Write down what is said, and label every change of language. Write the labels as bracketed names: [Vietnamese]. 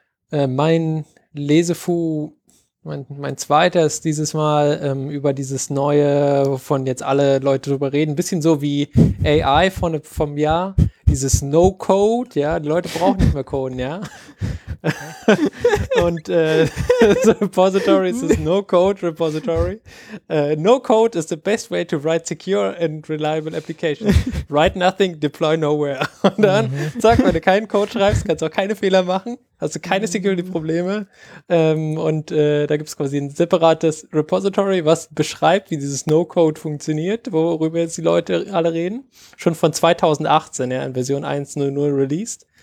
[German] Mein Lesefu, mein zweiter ist dieses Mal über dieses Neue, wovon jetzt alle Leute drüber reden. Ein bisschen so wie AI vom Jahr. Dieses No-Code, ja, die Leute brauchen nicht mehr Coden, ja. Und das Repository ist das No-Code-Repository. [English] No-Code is the best way to write secure and reliable applications. Write nothing, deploy nowhere. [German] Und dann, zack, wenn du keinen Code schreibst, kannst du auch keine Fehler machen, hast du keine Security-Probleme. Da gibt es quasi ein separates Repository, was beschreibt, wie dieses No-Code funktioniert, worüber jetzt die Leute alle reden. Schon von 2018, ja, in Version 1.0.0 released.